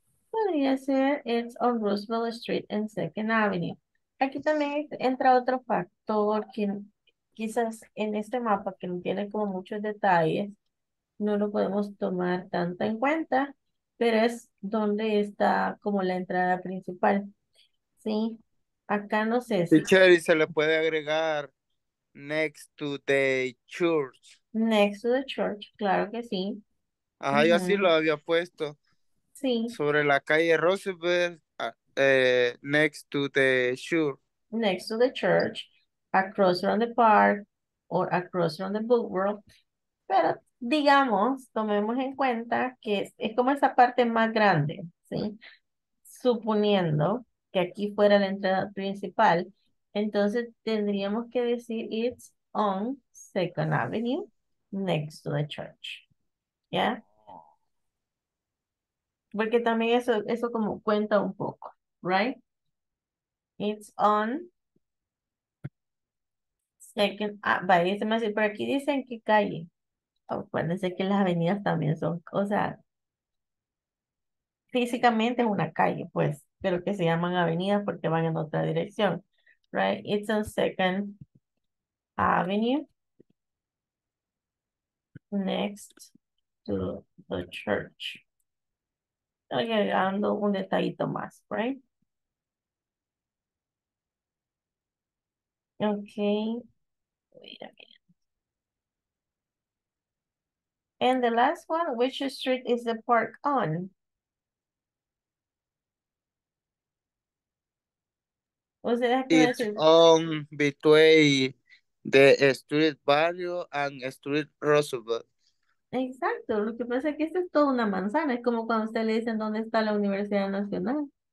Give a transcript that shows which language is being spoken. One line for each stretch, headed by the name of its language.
Spanish: Podría ser,
English: it's on Roosevelt Street and 2nd Avenue.
Spanish: Aquí también entra otro factor que quizás en este mapa que no tiene como muchos detalles, no lo podemos tomar tanto en cuenta, pero es donde está como la entrada principal. Sí, acá no sé. Si... Sí, se le puede agregar
English: next to the church. Next to the church,
Spanish: claro que sí. Ajá, uh-huh. Yo así lo había puesto. Sí. Sobre la calle Roosevelt,
English: next to the church. Next to the church, across from the park, or across from the book world,
Spanish: pero... Digamos, tomemos en cuenta que es como esa parte más grande, ¿sí? Suponiendo que aquí fuera la entrada principal, entonces tendríamos que decir
English: it's on 2nd Avenue next to the church,
Spanish: ¿ya? Porque también eso como cuenta un poco,
English: ¿right? It's on...
Spanish: Second, ah, va, dice más, pero aquí dicen que calle. Acuérdense que las avenidas también son, o sea, físicamente es una calle, pues, pero que se llaman avenidas porque van en otra dirección,
English: right? It's on Second Avenue, next to the church.
Spanish: Estoy agregando un detallito más,
English: right? Okay, wait a minute. And the last one, which street is the park on? Was it actually? It's on between the street Barrio and street Roosevelt.
Spanish: Exacto, lo que pasa es que esto es toda una manzana, es como cuando usted le dicen dónde está la Universidad Nacional.